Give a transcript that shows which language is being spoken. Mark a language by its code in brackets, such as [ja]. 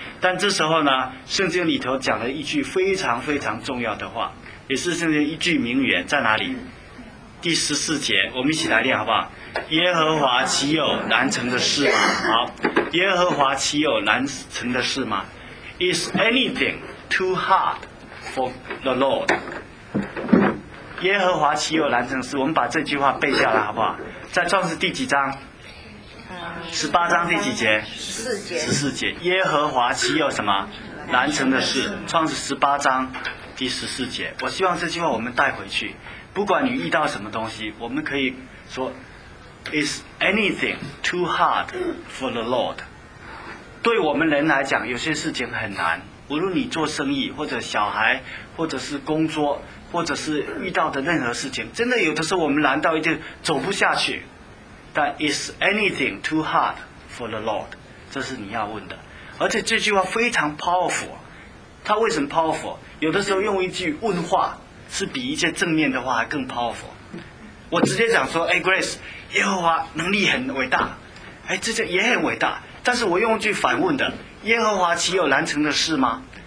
[zh] 但这时候呢，圣经里头讲了一句非常非常重要的话，也是圣经一句名言，在哪里？第十四节，我们一起来念好不好？耶和华岂有难成的事吗？好，耶和华岂有难成的事吗？ [en] Is anything too hard for the Lord？ [zh] 耶和华岂有难成的事？我们把这句话背下来好不好？在创世第几章？十八章第几节？十四节。十四节，耶和华岂有什么难成的事？创世十八章第十四节。我希望这句话我们带回去，不管你遇到什么东西，我们可以说 ， Is anything too hard for the Lord？对我们人来讲，有些事情很难。无论你做生意，或者小孩，或者是工作，或者是遇到的任何事情，真的有的时候我们难到一定走不下去。 [en] 但 Is anything too hard for the Lord？ [zh] 这是你要问的。而且这句话非常 powerful。它为什么 powerful？有的时候用一句问话，是比一些正面的话还更 powerful。我直接讲说，哎 ，Grace， 耶和华能力很伟大，哎，这些也很伟大。但是我用一句反问的，耶和华岂有难成的事吗？